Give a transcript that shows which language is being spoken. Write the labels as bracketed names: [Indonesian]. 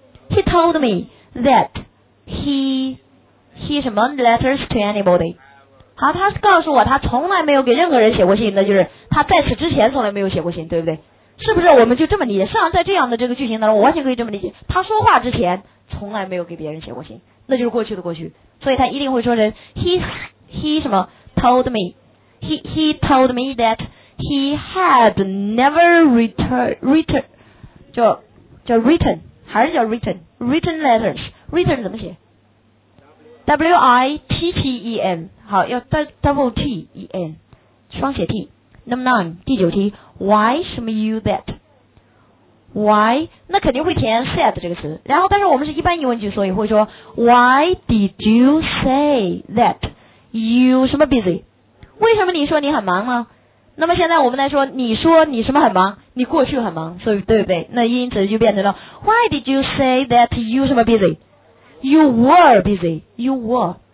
[English] He told me that he [Chinese] 什么 [English] letters to anybody。 [Chinese] 好，他告诉我他从来没有给任何人写过信，那就是他在此之前从来没有写过信，对不对？是不是我们就这么理解？上在这样的这个句型当中，我完全可以这么理解，他说话之前从来没有给别人写过信，那就是过去的过去，所以他一定会说成 he 什么 [English] told me he told me that he had never written [Chinese] 还是叫 [English] written letters。 written [Chinese] 怎么写？ [English] w-i-t-t-e-n。 [Chinese] 好，要 [English] double t-e-n， [Chinese] 双写 t。 [English] number nine， [Chinese] 第九题， why 什么 you that， why 那肯定会填 said 这个词，然后但是我们是一般疑问句，所以会说 [English] why did you say that you [Chinese] 什么 busy， 为什么你说你很忙吗？那么现在我们来说，你说你什么很忙，你过去很忙，所以对不对？那因此就变成了 [English] why did you say that you [Chinese] 什么 busy， [English] you were busy， you were。